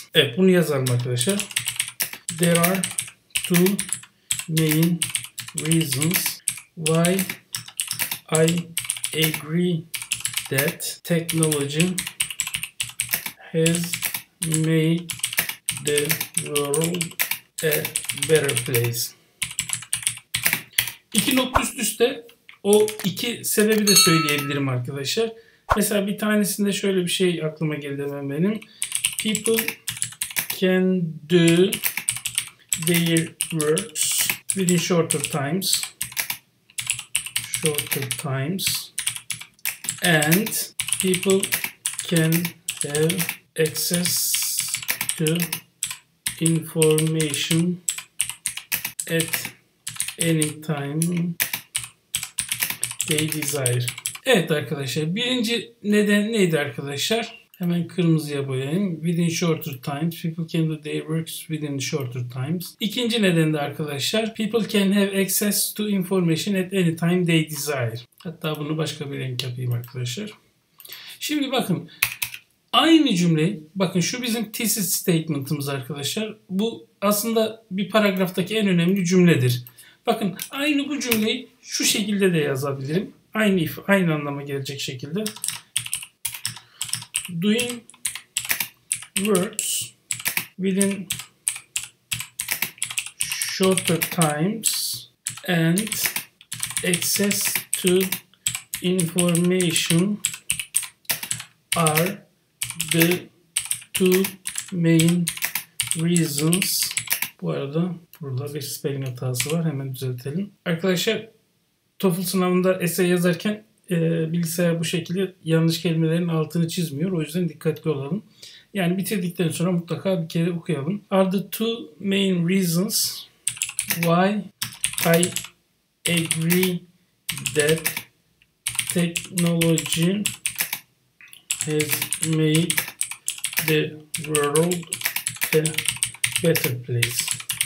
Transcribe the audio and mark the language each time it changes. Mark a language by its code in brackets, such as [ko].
[tr] Evet, bunu yazalım arkadaşlar. [en] There are two main reasons why I agree that technology has made the world a better place. [tr] İki nokta üst üste o iki sebebi de söyleyebilirim arkadaşlar. Mesela bir tanesinde şöyle bir şey aklıma geldi benim. [en] People can do their works within shorter times. Shorter times. And people can have access to information at any time they desire. [tr] Evet arkadaşlar, birinci neden neydi arkadaşlar? Hemen kırmızıya boyayayım. [en] Within shorter times, people can do their works within shorter times. [tr] İkinci neden de arkadaşlar, [en] people can have access to information at any time they desire. [tr] Hatta bunu başka bir renk yapayım arkadaşlar. Şimdi bakın, aynı cümleyi, bakın şu bizim thesis statement'ımız arkadaşlar. Bu aslında bir paragraftaki en önemli cümledir. Bakın aynı bu cümleyi şu şekilde de yazabilirim. Aynı anlama gelecek şekilde. [en] Doing works within shorter times and access to information are the two main reasons. [tr] Bu arada burada bir spelling hatası var, hemen düzeltelim. Arkadaşlar TOEFL sınavında essay yazarken bilgisayar bu şekilde yanlış kelimelerin altını çizmiyor. O yüzden dikkatli olalım. Yani bitirdikten sonra mutlaka bir kere okuyalım. [en] Are the two main reasons why I agree that technology has made the world a better place.